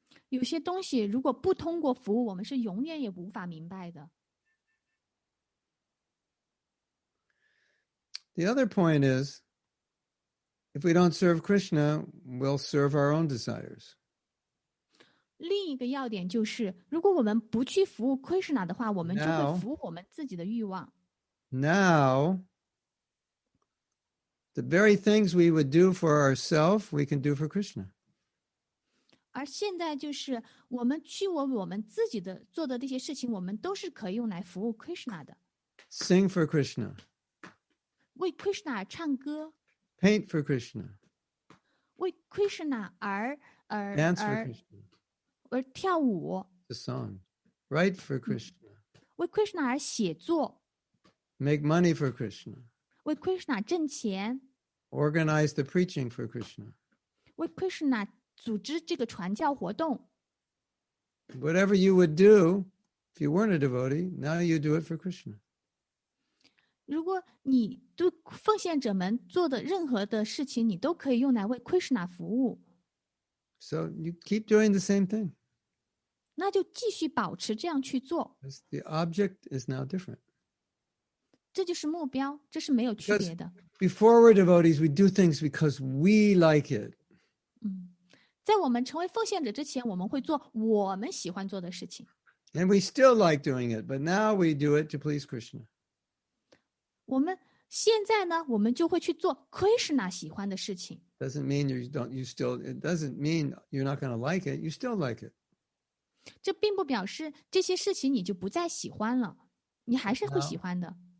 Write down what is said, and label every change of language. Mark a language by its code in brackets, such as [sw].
[zh] 有些东西如果不通过服务，我们是永远也无法明白的。 [en] The other point is, if we don't serve Krishna, we'll serve our own desires. [zh] 另一个要点就是，如果我们不去服务 Krishna 的话，我们就会服务我们自己的欲望。 [en] Now, the very things we would do for ourselves, we can do for Krishna. [zh] 而现在就是，我们去为我们自己的做的这些事情，我们都是可以用来服务 Krishna 的。 [en] Sing for Krishna. [zh] 为 Krishna 而唱歌 [en] Paint for Krishna [zh] 为 Krishna 而 [en] Dance for Krishna [zh] 而跳舞 [en] The song Write for Krishna [zh] 为 Krishna 而写作 [en] Make money for Krishna [zh] 为 Krishna 挣钱 [en] Organize the preaching for Krishna [zh] 为 Krishna 组织这个传教活动 [en] Whatever you would do if you weren't a devotee now you do it for Krishna [zh] 如果你对奉献者们做的任何的事情，你都可以用来为 Krishna 服务。 [en] So you keep doing the same thing. [zh] 那就继续保持这样去做。 [en] The object is now different. [zh] 这就是目标，这是没有区别的。 [en] Before we're devotees, we do things because we like it. [zh] 在我们成为奉献者之前，我们会做我们喜欢做的事情。 [en] And we still like doing it, but now we do it to please Krishna. [zh] 我们现在呢，我们就会去做 Krishna 喜欢的事情。 [en] Doesn't mean you don't, you still. It doesn't mean you're not going to like it. You still like it. [zh] 这并不表示这些事情你就不再喜欢了，你还是会喜欢的。